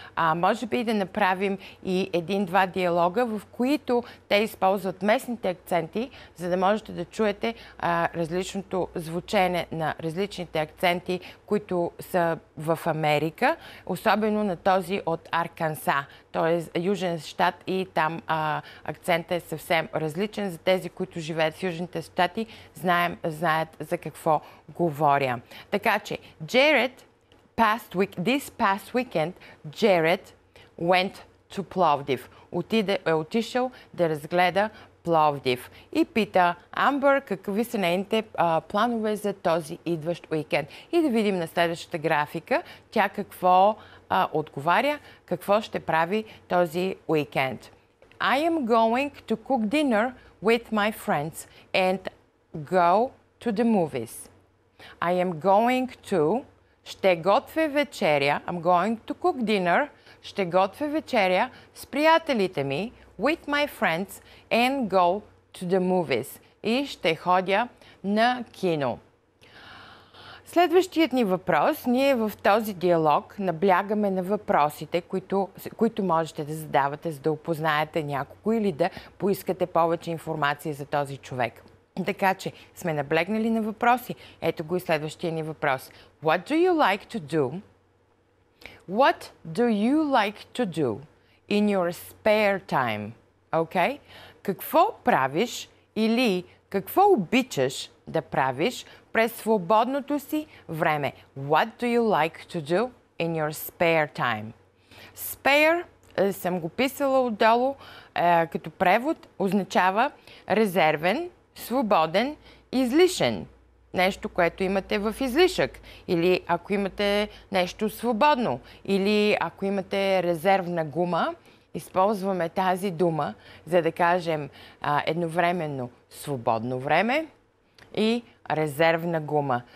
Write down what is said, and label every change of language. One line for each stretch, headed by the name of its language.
Bulgarian: Може би да направим и един-два диалога, в които те използват местните акценти, за да можете да чуете различното звучене на различните акценти, които са в Америка, особено на този от Арканса, т.е. Южен щат, и там акцентът е съвсем различен. За тези, които живеят в Южните щати, знаят за какво говоря. Така че,
English: this past weekend, Jared went to Plovdiv.
Bulgarian: Отишъл да разгледа Пловдив. И пита Амбър какви са нейните планове за този идващ уикенд. И да видим на следващата графика тя какво отговаря, какво ще прави този уикенд.
English: I am going to cook dinner with my friends and go to the movies. I am going to,
Bulgarian: ще готвя вечеря,
English: I'm going to cook dinner,
Bulgarian: ще готвя вечеря с приятелите ми,
English: with my friends and go to the movies.
Bulgarian: И ще ходя на кино. Следващият ни въпрос, ние в този диалог наблягаме на въпросите, които можете да задавате, за да опознаете някого или да поискате повече информация за този човек. Така че сме наблегнали на въпроси. Ето го и следващия ни въпрос.
English: What do you like to do? What do you like to do in your spare time? Okay?
Bulgarian: Какво правиш или какво обичаш да правиш през свободното си време?
English: What do you like to do in your spare time?
Bulgarian: Spare, съм го писала отдолу, като превод, означава резервен, свободен, излишен. Нещо, което имате в излишък. Или ако имате нещо свободно. Или ако имате резервна гума, използваме тази дума, за да кажем едновременно свободно време и резервна гума.